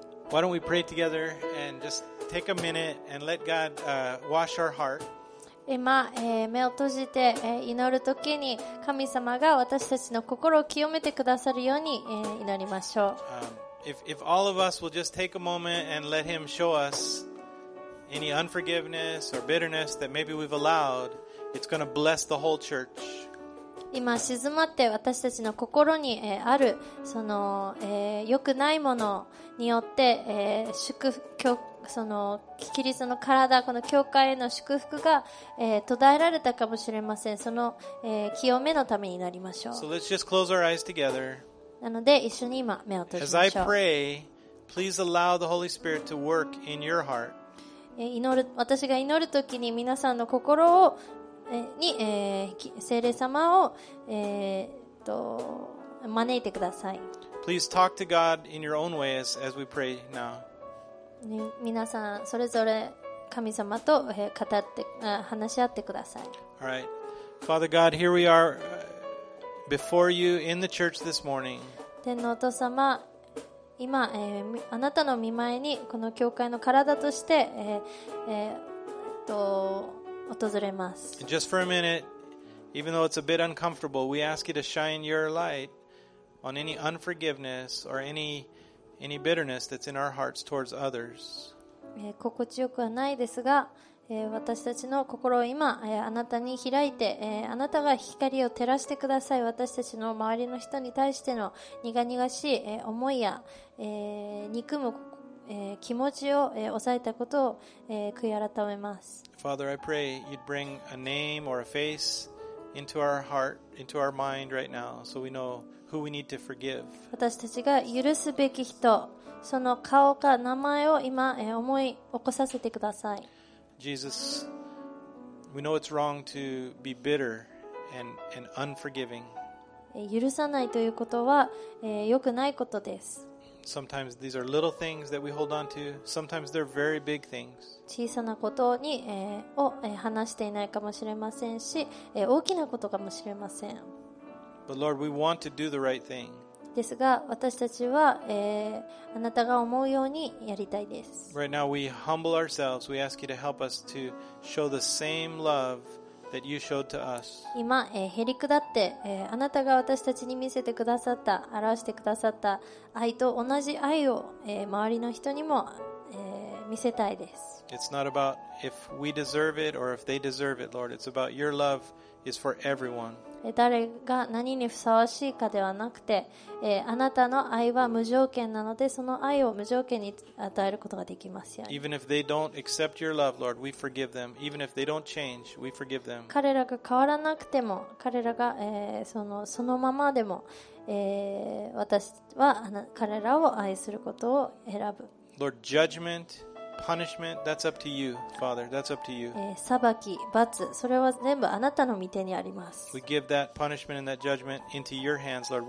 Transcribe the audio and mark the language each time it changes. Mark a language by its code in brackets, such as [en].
[en] Why don't we pray together and just take a minute and let God wash our heart. [ja] 今、目を閉じて、祈るときに神様が私たちの心を清めてくださるように、祈りましょう。 [en] If all of us will just take a moment and let him show us any unforgiveness or bitterness that maybe we've allowed, it's going to bless the whole church. [ja] 今静まって私たちの心に、あるその、良くないものによって、祝福教そのキリストの体この教会への祝福が、途絶えられたかもしれませんその、清めのためになりましょう [en] So let's just close our eyes together. [ja] なので一緒に今目を閉じましょう [en] As I pray, please allow the Holy Spirit to work in your heart. [ja] 祈る私が祈るときに皆さんの心を、に、聖霊様を、招いてください [en] Please talk to God in your own way as we pray now. [ja] 皆さんそれぞれ神様と語って話し合ってください。 [en] All right. Father God, here we are before you in the church this morning. [ja] 天のお父様、今、あなたの御前にこの教会の体として、訪れます。 [en] Just for a minute, even though it's a bit uncomfortable, we ask you to shine your light on any unforgiveness or any bitterness that's in our hearts towards others. [ja] 心地よくはないですが、私たちの心を今、あなたに開いて、あなたが光を照らしてください。私たちの周りの人に対しての苦々しい、思いや、憎む、気持ちを、抑えたことを、悔い改めます。 [en] Father, I pray you'd bring a name or a face into our heart, into our mind right now, so we know. Who we need to forgive. [ja] 私たちが許すべき人、その顔か名前を今思い起こさせてください。 [en] Jesus, we know it's wrong to be bitter and unforgiving. [ja] 許さないということは、良くないことです。 [en] Sometimes these are little things that we hold on to. Sometimes they're very big things. [ja] 小さなことに、を、話していないかもしれませんし、大きなことかもしれません。 [en] But Lord, we want to do the right thing. [ja] ですが、私たちは、あなたが思うようにやりたいです。 [en] Right now we humble ourselves. We ask you to help us to show the same love. That you showed to us. [ja] 今、へりくだって、あなたが私たちに見せてくださった、表してくださった愛と同じ愛を、周りの人にも、見せたいです。 [en] It's not about if we deserve it or if they deserve it, Lord. It's about your love is for everyone. [ja] 誰が何にふさわしいかではなくて、あなたの愛は無条件なので、その愛を無条件に与えることができますように。 [en] Even if they don't accept your love, Lord, we forgive them. Even if they don't change, we forgive them. [ja] 彼らが変わらなくても、彼らが、そのままでも、私は彼らを愛することを選ぶ。 [en] Lord, judgment. Punishment, that's up to you, Father. That's up to you. [ja] 裁き、罰、それは全部あなたの御手にあります。 [en] We give that punishment and that judgment into your hands, Lord.